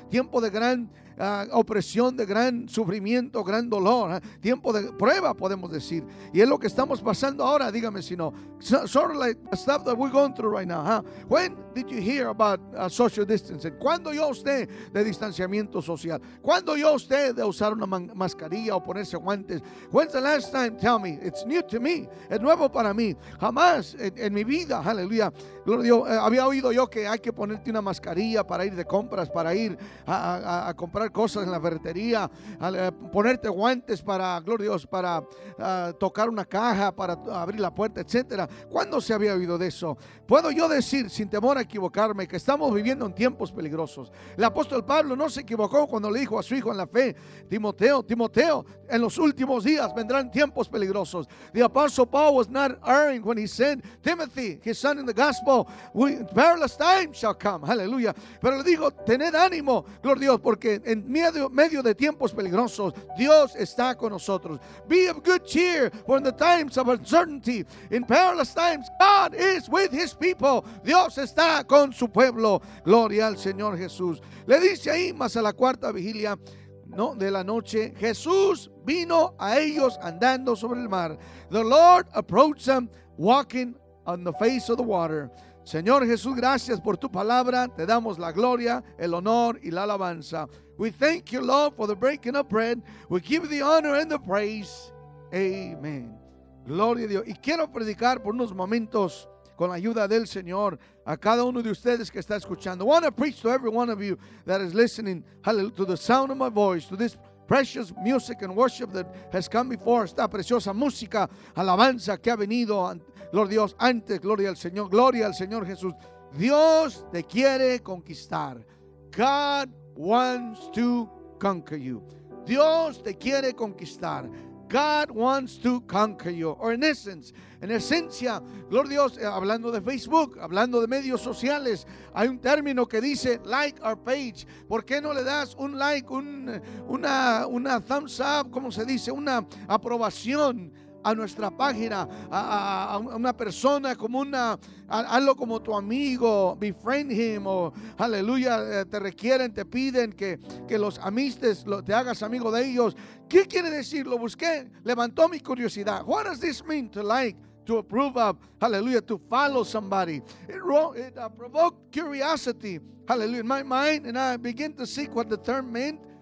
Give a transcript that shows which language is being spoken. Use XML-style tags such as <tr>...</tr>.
<es>Tiempo de gran opresión, de gran sufrimiento, gran dolor. Tiempo de prueba, podemos decir. Y es lo que estamos pasando ahora. Dígame si no.</es> <en>Sort of like stuff that we're going through right now. Huh? When did you hear about social distancing?</en> <es>¿Cuándo oyó usted de distanciamiento social? ¿Cuándo oyó usted de usar una mascarilla o ponerse guantes?</es> <en>When's the last time? Tell me. It's new to me.</en> <es>Es nuevo para mí. Jamás en mi vida, aleluya, gloria a Dios, había oído yo que hay que ponerte una mascarilla para ir de compras, para ir a comprar cosas en la ferretería, ponerte guantes para, gloria a Dios, para tocar una caja, para abrir la puerta, etcétera. ¿Cuándo se había oído de eso? Puedo yo decir, sin temor a equivocarme, que estamos viviendo en tiempos peligrosos. El apóstol Pablo no se equivocó cuando le dijo a su hijo en la fe, Timoteo, Timoteo, en los últimos días vendrán tiempos peligrosos.</es> <en>The apostle Paul was not erring when he said, Timothy, his son in the gospel, perilous times shall come. Hallelujah.</en> <es>Pero le digo, tened ánimo, gloria a Dios, porque en medio de tiempos peligrosos, Dios está con nosotros.</es> <en>Be of good cheer for in the times of uncertainty. In perilous times, God is with his people.</en> <es>Dios está con su pueblo. Gloria al Señor Jesús. Le dice ahí, más a la cuarta vigilia, no, de la noche, Jesús vino a ellos andando sobre el mar.</es> <en>The Lord approached them walking on the face of the water.</en> <es>Señor Jesús, gracias por tu palabra. Te damos la gloria, el honor y la alabanza.</es> <en>We thank you, Lord, for the breaking of bread. We give you the honor and the praise.</en> <es>Amen. Gloria a Dios. Y quiero predicar por unos momentos con la ayuda del Señor a cada uno de ustedes que está escuchando.</es> <en>I want to preach to every one of you that is listening, hallelujah, to the sound of my voice, to this precious music and worship that has come before.</en> <es>Esta preciosa música, alabanza que ha venido, Lord Dios, antes, gloria al Señor, gloria al Señor Jesús. Dios te quiere conquistar.</es> <en>God wants to conquer you.</en> <es>Dios te quiere conquistar.</es> <en>God wants to conquer you. Or in essence,</en> <es>en esencia, gloria a Dios, hablando de Facebook, hablando de medios sociales, hay un término que dice</es> <en>like our page.</en> <es>¿Por qué no le das un like, una thumbs up, como se dice, una aprobación a nuestra página, a una persona, como una, hazlo como tu amigo,</es> <en>befriend him,</en> <es>o aleluya, te requieren, te piden que los amistes, te hagas amigo de ellos? ¿Qué quiere decir? Lo busqué, levantó mi curiosidad.</es> <en>What does this mean to like, to approve of, hallelujah, to follow somebody? It provoked curiosity, hallelujah, in my mind, and I began to seek what the term meant.</en>